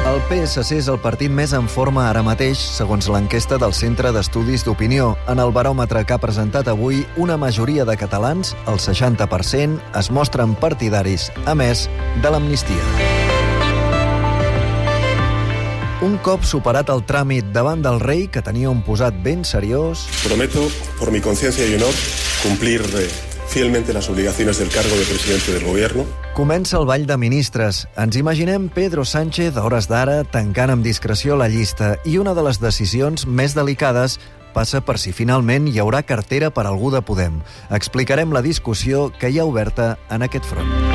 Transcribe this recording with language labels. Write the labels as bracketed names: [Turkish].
[Catalan] PSC és el partit més en forma ara mateix, segons l'enquesta del Centre d'Estudis d'Opinió. En el baròmetre que ha presentat avui, una majoria de catalans, el 60%, es mostren partidaris, a més, de l'amnistia. Un cop superat el tràmit davant del rei, que tenia un posat ben seriós... [Spanish] Prometo, por mi conciencia y honor, cumplir fielmente las obligaciones del cargo de presidente del gobierno. [Catalan] Comença el ball de ministres. Ens imaginem Pedro Sánchez, a hores d'ara, tancant amb discreció la llista. I una de les decisions més delicades passa per si finalment hi haurà cartera per algú de Podem. Explicarem la discussió que hi ha oberta en aquest front.